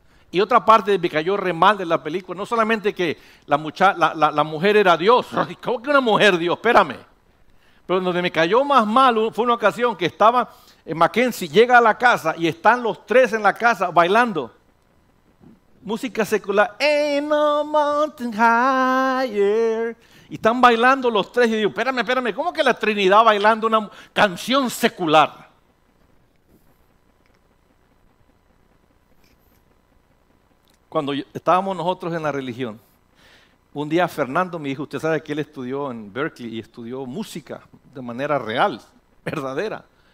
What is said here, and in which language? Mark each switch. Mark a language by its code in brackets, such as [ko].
[es] Y otra parte me cayó re mal de la película. No solamente que la mujer era Dios. ¿Cómo que una mujer Dios? Espérame. Pero donde me cayó más mal fue una ocasión que estaba en Mackenzie, llega a la casa y están los tres en la casa bailando. Música secular. [en] Ain't no mountain higher. [es] Y están bailando los tres. Y digo, espérame, ¿cómo que la Trinidad bailando una canción secular? Cuando estábamos nosotros en la religión, un día Fernando me dijo, usted sabe que él estudió en Berkeley y estudió música de manera real, verdadera.